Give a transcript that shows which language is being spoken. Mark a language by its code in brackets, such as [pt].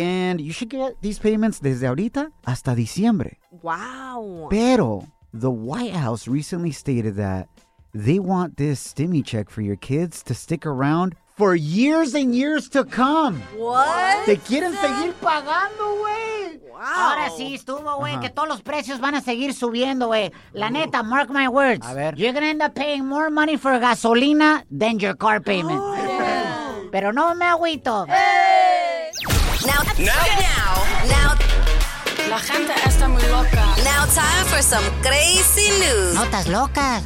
[en] And you should get these payments [es] desde ahorita hasta diciembre. Wow. Pero [en] the White House recently stated that they want this stimmy check for your kids to stick around for years and years to come. What? [es] Te quieren seguir pagando, güey. Wow. Ahora sí estuvo, güey, que todos los precios van a seguir subiendo, güey. La neta, [en] mark my words. [es] A ver. [en] You're gonna end up paying more money for gasolina than your car payment. Oh, yeah. [es] Pero no me agüito. Hey! [en] Now. [es] La gente está muy loca. [en] Now time for some crazy news. [es] Notas locas.